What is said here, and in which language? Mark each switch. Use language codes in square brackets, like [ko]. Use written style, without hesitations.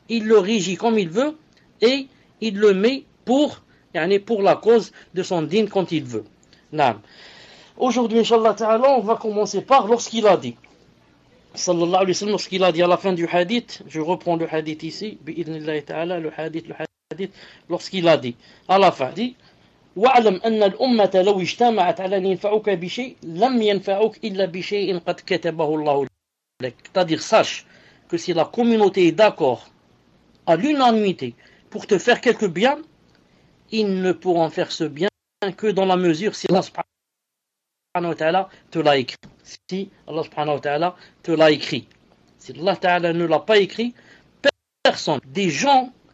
[fr] Il le régit comme il veut, et il le met pour la cause de son dîn quand il veut. Non. Aujourd'hui, Inch'Allah Ta'ala, on va commencer par lorsqu'il a dit. Sallallahu alayhi wa sallam, lorsqu'il a dit à la fin du hadith, je reprends le hadith ici, bi'idhnillahi ta'ala, le hadith. Lorsqu'il a dit à la fin, dit [ar] وَعْلَمْ أَنَّ الْأُمَّةَ لَوْ اجْتَمَعَتْ عَلَى أَنْ يَنْفَعُوكَ بِشَيْءٍ لَمْ يَنْفَعُوكَ إِلَّا بِشَيْءٍ قَدْ كَتَبَهُ اللَّهُ لَكَ. [fr] C'est-à-dire, sache que si la communauté est d'accord à l'unanimité pour te faire quelque bien, ils ne pourront faire ce bien que dans la mesure si Allah subhanahu wa ta'ala te l'a écrit. Si Allah subhanahu wa ta'ala te l'a écrit. Si Allah ta'ala ne l'a pas écrit, personne des gens.